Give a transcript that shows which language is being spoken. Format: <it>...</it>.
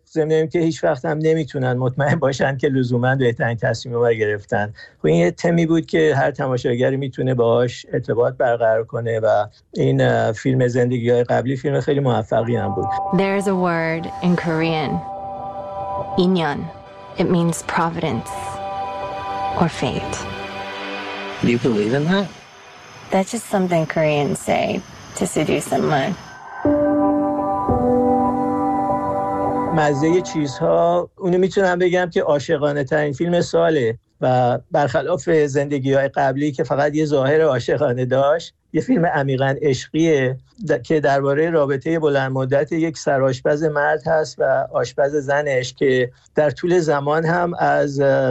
<fa>ضمن اینکه هیچ وقت هم نمیتونن مطمئن باشن که لزوماً بهترین تصمیم رو گرفتن. خب این یه تمی بود که هر تماشاگری میتونه باهاش ارتباط برقرار کنه و این فیلم زندگی‌های قبلی فیلم خیلی موفقی هم بود.</fa> <en>There's a word in Korean. Inyeon. It means providence or fate. Do you believe in that? That's just something Koreans say to seduce someone.</en> <fa>مزه چیزها اونو میتونم بگم که عاشقانه ترین فیلم ساله و برخلاف زندگی‌های قبلی که فقط یه ظاهر عاشقانه داشت، یه فیلم عمیقا عشقیه که درباره رابطه بلند مدت یک سرآشپز مرد هست و آشپز زنش که در طول زمان هم از</fa>